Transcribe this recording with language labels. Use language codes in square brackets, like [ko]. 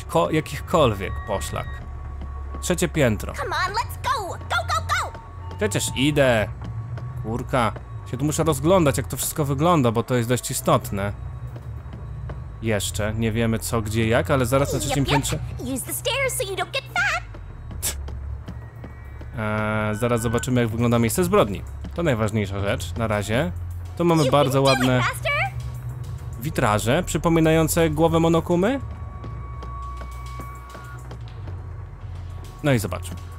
[pl] Jakichkolwiek poszlak. Trzecie piętro. [en] Come on, let's go! Go, go, go! [pl] Przecież idę. Kurka. Się tu muszę rozglądać, jak to wszystko wygląda, bo to jest dość istotne. Jeszcze. Nie wiemy co, gdzie, jak, ale zaraz na trzecim piętrze... [en] Use the stairs so you don't get fat. [pl] Zaraz zobaczymy, jak wygląda miejsce zbrodni. To najważniejsza rzecz na razie. Tu mamy bardzo ładne... witraże, przypominające głowę Monokumy? No i zobaczmy.